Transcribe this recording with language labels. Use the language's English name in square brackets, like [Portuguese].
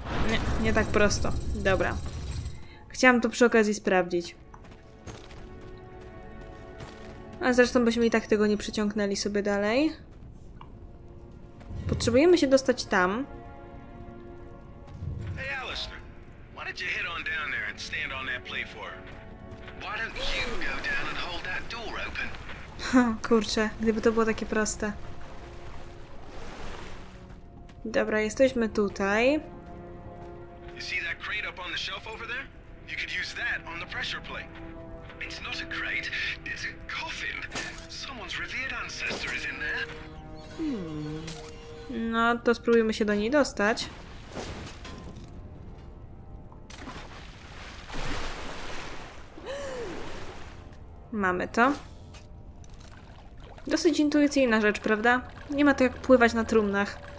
[Polish] Nie, nie tak prosto. Dobra. Chciałam to przy okazji sprawdzić. A zresztą byśmy i tak tego nie przyciągnęli sobie dalej. Potrzebujemy się dostać tam. [English] Hey, Alistair. Why don't you head on down there and stand on that platform? Why don't you go down and hold that door open? [Polish] Kurczę, gdyby to było takie proste. Dobra, jesteśmy tutaj. [English] You see that crate up on the shelf over there? You could use that on the pressure plate. It's not a crate, it's a coffin. Someone's revered ancestor is in there. [Polish] No, to spróbujmy się do niej dostać. Mamy to. Dosyć intuicyjna rzecz, prawda? Nie ma to jak pływać na trumnach.